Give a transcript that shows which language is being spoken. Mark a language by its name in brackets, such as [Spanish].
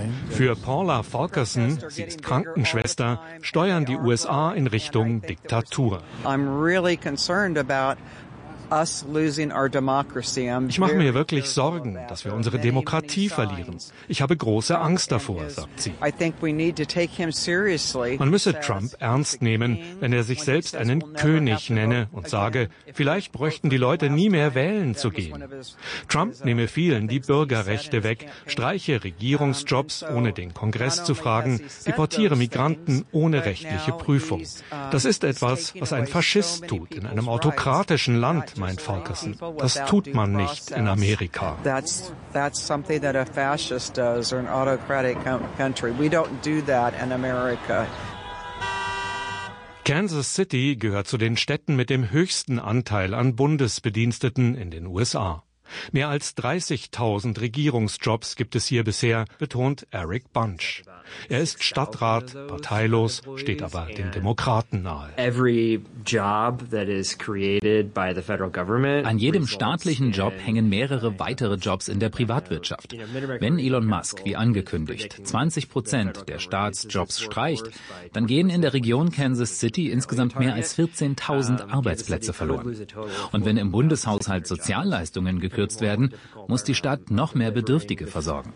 [German] Für Paula Falkerson, sie ist Krankenschwester, steuern die USA in Richtung Diktatur. [English] I'm really concerned about us losing our democracy. [German] Ich mache mir wirklich Sorgen, dass wir unsere Demokratie verlieren. Ich habe große Angst davor, sagt sie. [English] I think we need to take him seriously. [German] Man müsse Trump ernst nehmen, wenn er sich selbst einen König nenne und sage, vielleicht bräuchten die Leute nie mehr wählen zu gehen. Trump nehme vielen die Bürgerrechte weg, streiche Regierungsjobs, ohne den Kongress zu fragen, deportiere Migranten ohne rechtliche Prüfung. Das ist etwas, was ein Faschist tut in einem autokratischen Land. meint Farquharson. Das tut man nicht in Amerika. [English] That's something that a fascist does or an autocratic country. We don't do that in America. [German] Kansas City gehört zu den Städten mit dem höchsten Anteil an Bundesbediensteten in den USA. Mehr als 30.000 Regierungsjobs gibt es hier bisher, betont Eric Bunch. Er ist Stadtrat, parteilos, steht aber den Demokraten nahe. [English] Every job that is created by the federal government. [German] An jedem staatlichen Job hängen mehrere weitere Jobs in der Privatwirtschaft. Wenn Elon Musk, wie angekündigt, 20% der Staatsjobs streicht, dann gehen in der Region Kansas City insgesamt mehr als 14.000 Arbeitsplätze verloren. Und wenn im Bundeshaushalt Sozialleistungen gekürzt werden, muss die Stadt noch mehr Bedürftige versorgen.